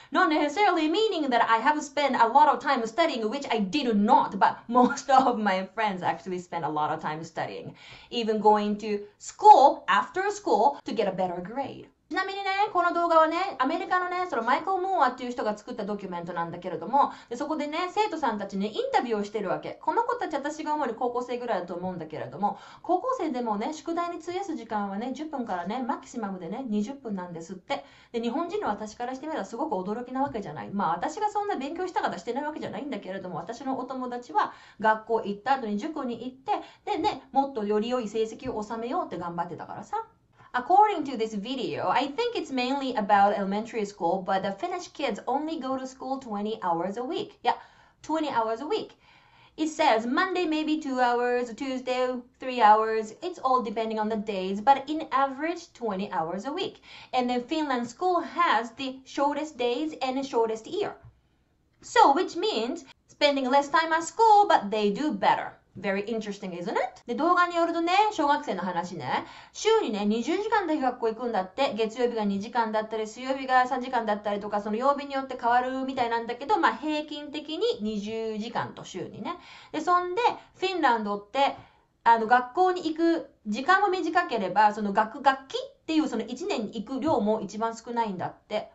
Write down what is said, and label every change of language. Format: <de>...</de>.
<en>Not necessarily meaning that I have spent a lot of time studying, which I did not, but most of my friends actually spent a lot of time studying. Even going to school after school to get a better grade.</en> <ja>ちなみにね、この動画はね、アメリカのね、そのマイクル・ムーアっていう人が作ったドキュメントなんだけれども、でそこでね、生徒さんたちに、ね、インタビューをしてるわけ。この子たち、私が思う高校生ぐらいだと思うんだけれども、高校生でもね、宿題に費やす時間はね、10分からね、マキシマムでね、20分なんですって。で、日本人の私からしてみればすごく驚きなわけじゃない。まあ、私がそんな勉強したかたしてないわけじゃないんだけれども、私のお友達は学校行った後に塾に行って、でね、もっとより良い成績を収めようって頑張ってたからさ。</ja> <en>According to this video, I think it's mainly about elementary school, but the Finnish kids only go to school 20 hours a week. Yeah, 20 hours a week. It says Monday maybe 2 hours, Tuesday 3 hours. It's all depending on the days, but in average 20 hours a week. And then Finland school has the shortest days and the shortest year. So, which means spending less time at school, but they do better. Very interesting, isn't it?</en> <ja>で、動画によるとね、小学生の話ね、週にね、20時間で学校行くんだって、月曜日が2時間だったり、水曜日が3時間だったりとか、その曜日によって変わるみたいなんだけど、まあ平均的に20時間と週にね。で、そんで、フィンランドって、学校に行く時間も短ければ、その学期っていうその1年に行く量も一番少ないんだって。</ja>